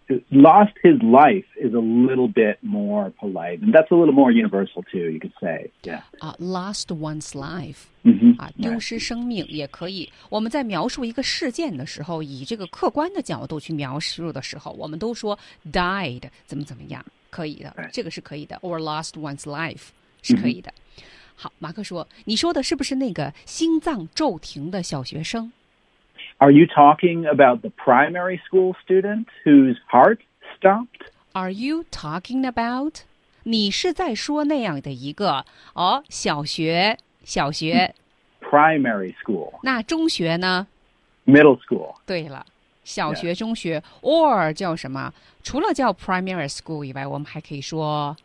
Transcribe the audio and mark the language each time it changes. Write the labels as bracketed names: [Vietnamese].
[English] lost his life is a little bit more polite, and that's a little more universal too, you could say. Yeah. Lost one's life. [Chinese] 丢失生命也可以。我们在描述一个事件的时候，以这个客观的角度去描述的时候，我们都说 died 怎么怎么样，可以的， [English] right. [Chinese] 这个是可以的。 [English] Or lost one's life [Chinese] 是可以的。 Mm-hmm. 好，马克说，你说的是不是那个心脏骤停的小学生？ [English] Are you talking about the primary school student whose heart stopped? Are you talking about? [Chinese] 你是在说那样的一个，哦，小学。 [English] Primary school. [Chinese] 那中学呢？ [English] Middle school. [Chinese] 对了，小学、中学 ,or 叫什么？除了叫 primary school 以外，我们还可以说